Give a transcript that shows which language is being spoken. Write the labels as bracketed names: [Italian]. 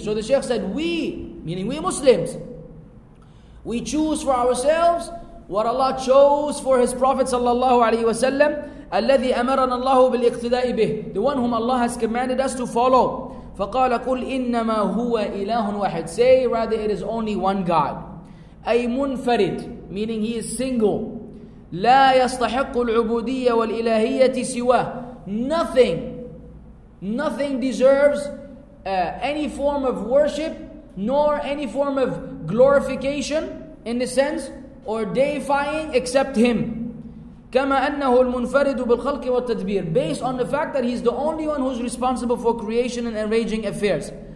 [English] So the Shaykh said, we, meaning we Muslims, we choose for ourselves what Allah chose for His Prophet sallallahu alayhi wa sallam, [Arabic] الَّذِي أَمَرَنَا اللَّهُ بِالْإِقْتِدَاءِ بِهِ, [English] the one whom Allah has commanded us to follow. [Arabic] فَقَالَ قُلْ إِنَّمَا هُوَ إِلَهٌ وَاحِدٌ. [English] Say, rather, it is only one God. [Arabic] أي منفرد, [English] meaning he is single. [Arabic] لَا يَسْتَحِقُّ الْعُبُودِيَّ وَالْإِلَهِيَّةِ سِوَاهُ. [English] Nothing, Nothing deserves any form of worship, nor any form of glorification, in the sense, or deifying, except him. [Arabic] كَمَا أَنَّهُ الْمُنْفَرِدُ بِالْخَلْقِ وَالتَّدْبِيرِ [English] Based on the fact that he's the only one who's responsible for creation and arranging affairs.